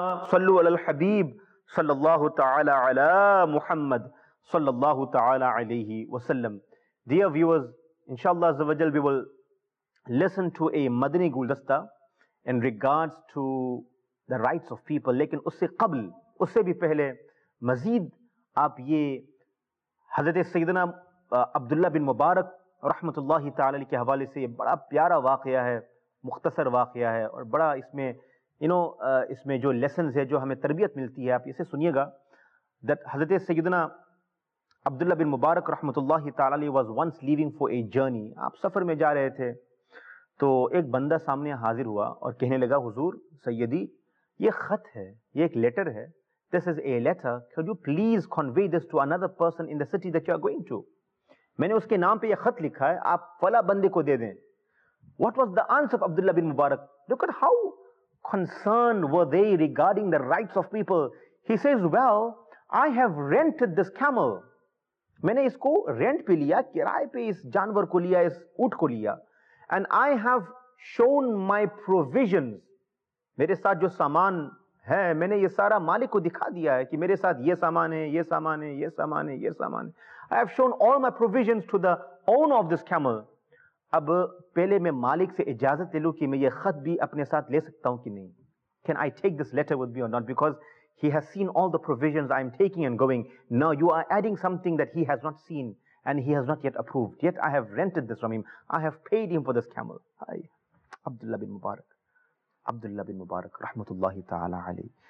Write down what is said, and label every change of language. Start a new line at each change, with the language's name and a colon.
Arabic: صلو علی الحبیب صلی اللہ تعالی علی محمد صلی اللہ تعالی علیہ وسلم.
English: Dear viewers, inshallah azawajal, we will listen to a Madani Guldasta in regards to the rights of people.
Urdu: Lekin usse qabl, اس سے بھی پہلے مزید آپ یہ حضرت سیدنا عبداللہ بن مبارک رحمۃ اللہ تعالی علیہ کے حوالے سے یہ بڑا پیارا واقعہ ہے, مختصر واقعہ ہے, اور بڑا اس میں اس میں جو لیسنز ہے, جو ہمیں تربیت ملتی ہے, آپ اسے سنیے گا. دیٹ حضرت سیدنا عبداللہ بن مبارک رحمۃ اللہ تعالی علیہ
English: was once living for a journey,
Urdu: آپ سفر میں جا رہے تھے تو ایک بندہ سامنے حاضر ہوا اور کہنے لگا, حضور سیدی, یہ خط ہے, یہ ایک لیٹر ہے,
English: this is a letter, could you please convey this to another person in the city that you are going to.
Urdu: میں نے اس کے نام پہ یہ خط لکھا ہے, آپ فلا بندے کو دے دیں.
English: What was the answer of Abdullah bin Mubarak? Look at how concerned were they regarding the rights of people. He says, well, I have rented this camel.
Urdu: میں نے اس کو رینٹ پہ لیا, کرائے پہ اس جانور کو لیا, اس اونٹ کو لیا.
English: And I have shown my provisions.
Urdu: میرے ساتھ جو سامان ہے, میں نے یہ سارا مالک کو دکھا دیا ہے کہ میرے ساتھ یہ سامان ہے, یہ سامان ہے, یہ سامان ہے, یہ سامان ہے.
English: I have shown all my provisions to the owner of this camel.
Urdu: اب پہلے میں مالک سے اجازت لے لوں کہ میں یہ خط بھی اپنے ساتھ لے سکتا ہوں کہ نہیں.
English: Can I take this letter with me or not? Because he has seen all the provisions I am taking and going. Now you are adding something that he has not seen and he has not yet approved. Yet I have rented this from him. I have paid him for this camel. Hi. Abdullah bin Mubarak. Abdullah bin Mubarak, rahmatullahi ta'ala alayhi.